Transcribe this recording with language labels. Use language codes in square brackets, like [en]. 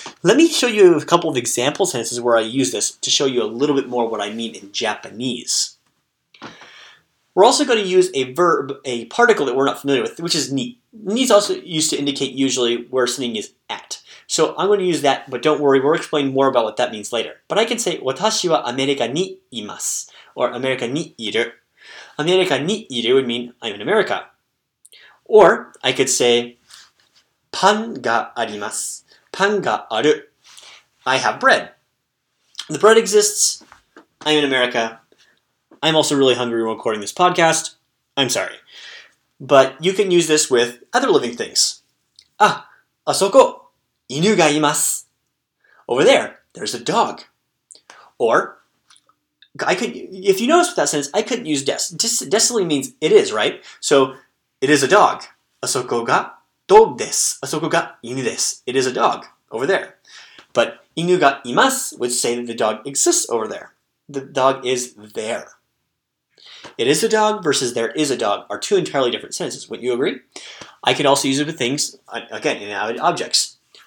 [en] Let me show you a couple of example sentences where I use this to show you a little bit more what I mean in Japanese. We're also going to use a verb, a particle that we're not familiar with, which is ni. Ni is also used to indicate usually where something is at. So I'm going to use that, but don't worry, we'll explain more about what that means later. But I can say, 私はアメリカにいます, or アメリカにいる. アメリカにいる would mean, I'm in America. Or I could say, パンがあります. パンがある. I have bread. The bread exists. I'm in America. I'm also really hungry when recording this podcast. I'm sorry. But you can use this with other living things. Ah, あそこ。犬がいます. Over there, there's a dog. Or, if you notice with that sentence, I couldn't use des. Des simply means it is, right? So, it is a dog. [ja] あそこがドッグです. あそこが犬です. [en] It is a dog over there. But, 犬がいます would say that the dog exists over there. The dog is there. It is a dog versus there is a dog are two entirely different sentences. Wouldn't you agree? I could also use it with things, again, inanimate objects.